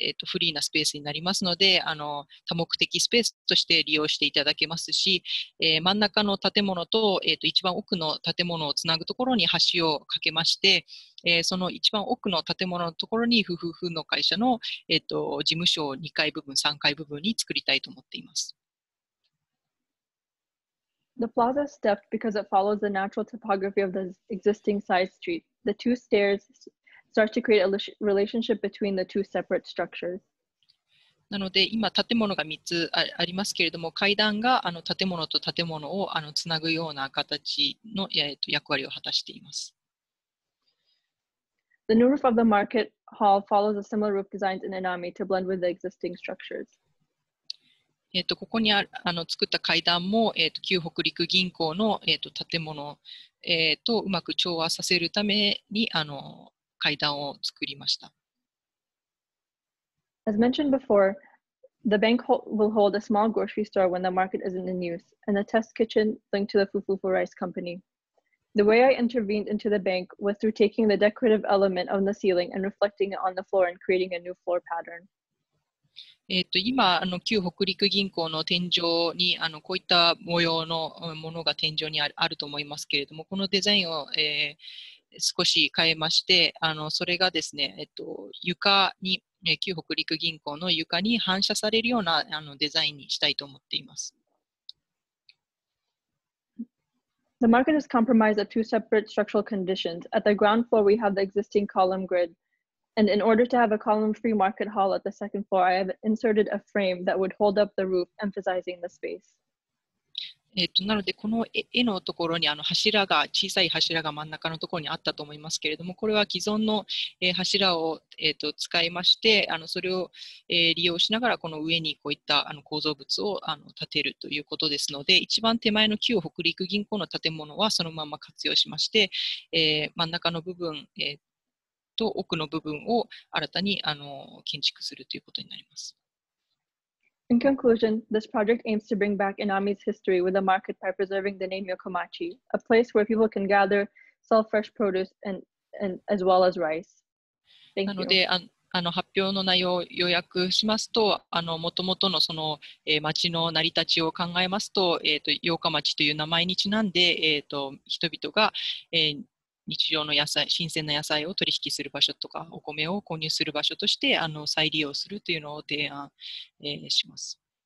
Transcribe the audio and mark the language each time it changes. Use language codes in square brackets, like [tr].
[ja] フリーなスペースになりますので、多目的スペースとして利用していただけますし、真ん中の建物 と,、一番奥の建物をつなぐところに橋を架けまして、その一番奥の建物のところに、フフフの会社の、事務所を2階部分、3階部分に作りたいと思っています。 [en] The plaza stepped because it follows the natural topography of the existing side street. The two stairs... starts to create a relationship between the two separate structures. [ja] なので今建物が3つありますけれども階段が建物と建物をつなぐような形の役割を果たしています。 [en] The new roof of the market hall follows a similar roof designs in Inami to blend with the existing structures. [ja] ここに作った階段も、旧北陸銀行の、建物、とうまく調和させるために階段を作りました。 [en] As mentioned before, the bank will hold a small grocery store when the market isn't in use, and a test kitchen linked to the Fufufu Rice Company. The way I intervened into the bank was through taking the decorative element on the ceiling and reflecting it on the floor and creating a new floor pattern. [ja] 今旧北陸銀行の天井にこういった模様のものが天井にあると思いますけれども、このデザインを、少し変えまして、それがですね、床に、旧北陸銀行の床に反射されるようなデザインにしたいと思っています。 [en] The market is comprised of two separate structural conditions. At the ground floor, we have the existing column grid. And in order to have a column-free market hall at the second floor, I have inserted a frame that would hold up the roof, emphasizing the space. [ja] なのでこの絵のところに柱が小さい柱が真ん中のところにあったと思いますけれどもこれは既存の柱を使いましてそれを利用しながらこの上にこういった構造物を建てるということですので一番手前の旧北陸銀行の建物はそのまま活用しまして真ん中の部分と奥の部分を新たに建築するということになります。 [en] In conclusion, this project aims to bring back Inami's history with a market by preserving the name Yokomachi, a place where people can gather, sell fresh produce, and as well as rice. Thank you. [ja] なので、発表の内容を要約しますと、もともとのその、町の成り立ちを考えますと、八日町という名前にちなんで、人々が、日常の野菜、新鮮な野菜を取引する場所とか、お米を購入する場所として、再利用するというのを提案、します。